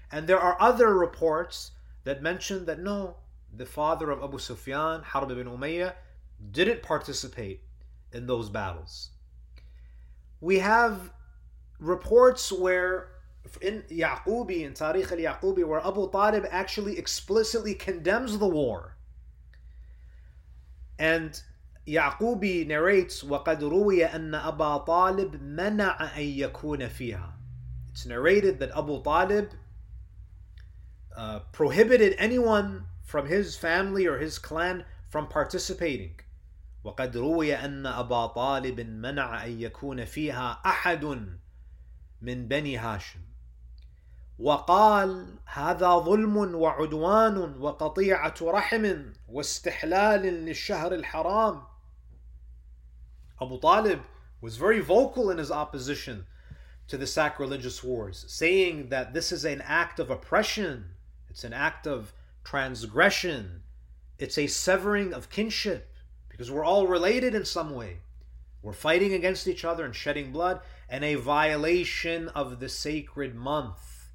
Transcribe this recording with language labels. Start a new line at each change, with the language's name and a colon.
English: And there are other reports that mention that no, the father of Abu Sufyan, Harb ibn Umayyah, didn't participate in those battles. We have reports where in Ya'qubi, in Tariq al-Ya'qubi, where Abu Talib actually explicitly condemns the war. And Ya'qubi narrates,
Arabic: وَقَدْ رُوِيَ أَنَّ أَبَا طَالِبْ مَنَعَ أَن يَكُونَ فِيهَا.
English: It's narrated that Abu Talib prohibited anyone from his family or his clan from participating.
Arabic: وَقَدْ رُوِيَ أَنَّ أَبَا طَالِبٍ مَنَعَ أَن يَكُونَ فِيهَا أَحَدٌ مِنْ بَنِي هَاشِمٍ وقال هذا ظلم وعدوان وقطيعة رحم واستحلال للشهر الحرام.
English: Abu Talib was very vocal in his opposition to the sacrilegious wars, saying that this is an act of oppression, it's an act of transgression, it's a severing of kinship, because we're all related in some way, we're fighting against each other and shedding blood, and a violation of the sacred month.